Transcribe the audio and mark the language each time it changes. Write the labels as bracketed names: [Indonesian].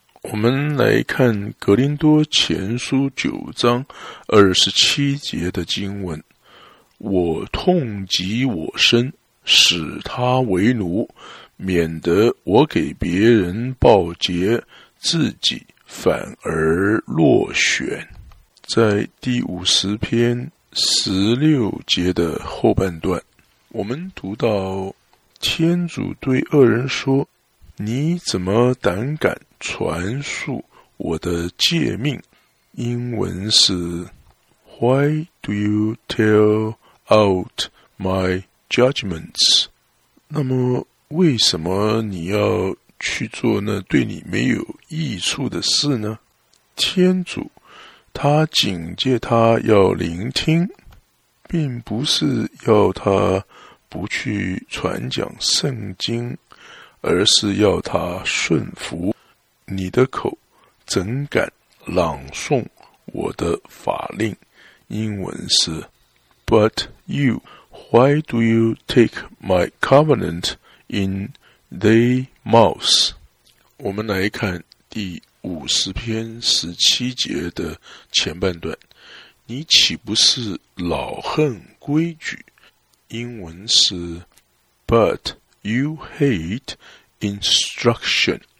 [Chinese] 我们来看格林多前书9章27节的经文，我痛极我身，使他为奴，免得我给别人报捷，自己反而落选。在第50篇16节的后半段，我们读到天主对恶人说，你怎么胆敢传述我的诫命？英文是 [English] Why do you tell out my judgments? [Chinese] 那么为什么你要去做那对你没有益处的事呢？天主他警戒他要聆听，并不是要他不去传讲圣经，而是要他顺服。你的口怎敢朗诵我的法令？英文是 [English] But you, why do you take my covenant in thy mouth? [Chinese] 我们来看第50篇17节的前半段，你岂不是老恨规矩？英文是 [English] But you hate instruction.